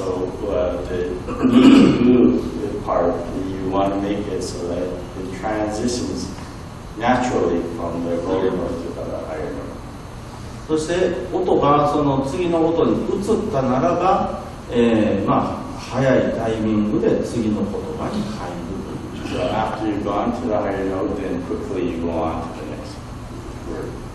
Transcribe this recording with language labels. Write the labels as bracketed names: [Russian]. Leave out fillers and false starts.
[English] So the move part you want to make it so that the transitionsNaturally from the lower note to the higher note. [Japanese] そして音がその次の音に移ったならば、まあ早いタイミングで次の言葉に入る。 [English] So after you've gone to the higher note, then quickly you go on to the next word.